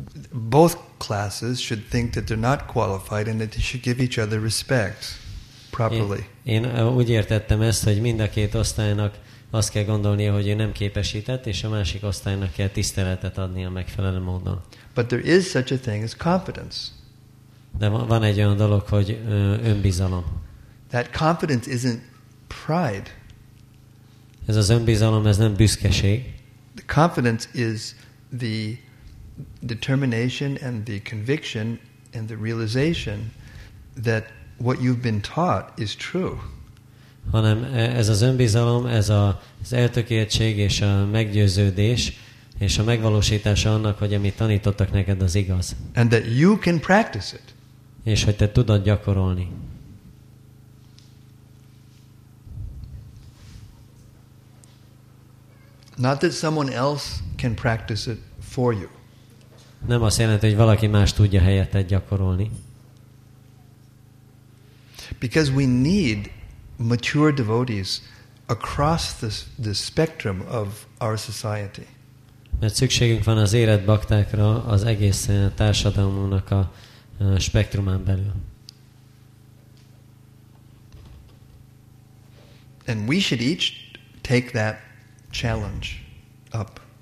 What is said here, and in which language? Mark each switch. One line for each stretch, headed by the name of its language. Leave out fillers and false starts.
English: both classes should think that they're not qualified and that they should give each other respect properly.
Hungarian: Én úgy értettem ezt, hogy mind a két osztálynak azt kell gondolnia, hogy ő nem képesített, és a másik osztálynak kell tiszteletet adni a megfelelő módon.
English: But there is such a thing as confidence.
Hungarian: De van egy olyan dolog, hogy önbizalom.
English: That confidence isn't pride.
Hungarian: Ez az önbizalom, ez nem büszkeség.
English: The confidence is the determination and the conviction and the realization that what you've been taught is true.
Hungarian: Hanem ez az önbizalom, ez az eltökéltség és a meggyőződés és a megvalósítása annak, hogy amit tanítottak neked, az igaz.
English: And that you can practice it.
Hungarian: És hogy te tudod gyakorolni.
English: Not that someone else can practice it for you.
Hungarian: Nem azt jelenti, hogy valaki más tudja helyetted gyakorolni.
English: Because we need mature devotees across the spectrum of our society.
Hungarian: Mert szükségünk van az érett baktákra az egész társadalmunknak a spektrumán belül.
English: And we should each take that challenge up.